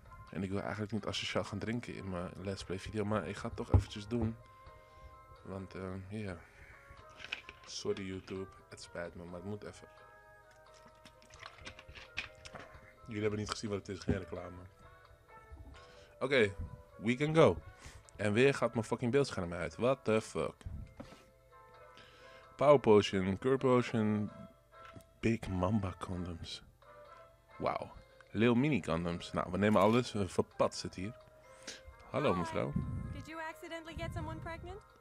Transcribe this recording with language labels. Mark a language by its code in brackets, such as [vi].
[nl] En ik wil eigenlijk niet asociaal gaan drinken in mijn Let's Play video, maar ik ga het toch eventjes doen. Want, ja... Yeah. Sorry YouTube, het spijt me, maar het moet even. Jullie hebben niet gezien wat het is, geen reclame. Oké, [en] we can go. [nl] En weer gaat mijn fucking beeldscherm uit. [en] What the fuck? Power Potion, Cure Potion, Big Mamba condoms. Wow, Lil Mini condoms. [nl] Nou, we nemen alles, we verpatsen het hier. Hallo mevrouw. [en] Did you accidentally get someone pregnant?